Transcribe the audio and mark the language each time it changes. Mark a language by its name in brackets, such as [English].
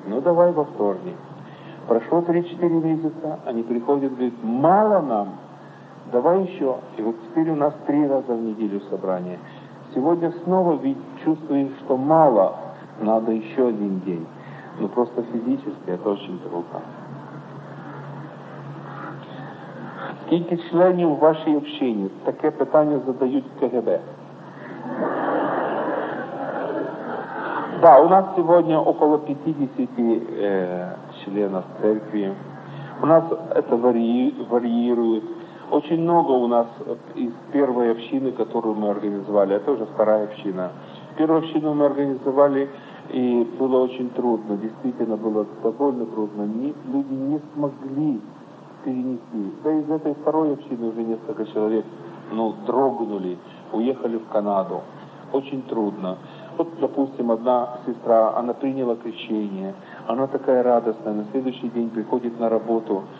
[Russian] Ну, давай во вторник. Прошло 3-4 месяца, они приходят и говорят, мало нам, давай еще. И вот теперь у нас 3 раза в неделю собрание. Сегодня снова ведь чувствуем, что мало, надо еще один день. Ну, просто физически это очень трудно. [Ukrainian] Скільки членів у вашій общині? Таке питання задають в КГБ. Да, у нас сьогодні около 50 членів церкви. У нас це варіює. Дуже багато у нас із першої общини, яку ми організували. Це вже вторая община. Першу общину ми організували, і було дуже трудно. Дійсно, було доволі трудно. Люди не змогли перенести. [Russian] Да из этой второй общины уже несколько человек, ну, дрогнули, уехали в Канаду. Очень трудно. Вот, допустим, одна сестра, она приняла крещение, она такая радостная, на следующий день приходит на работу.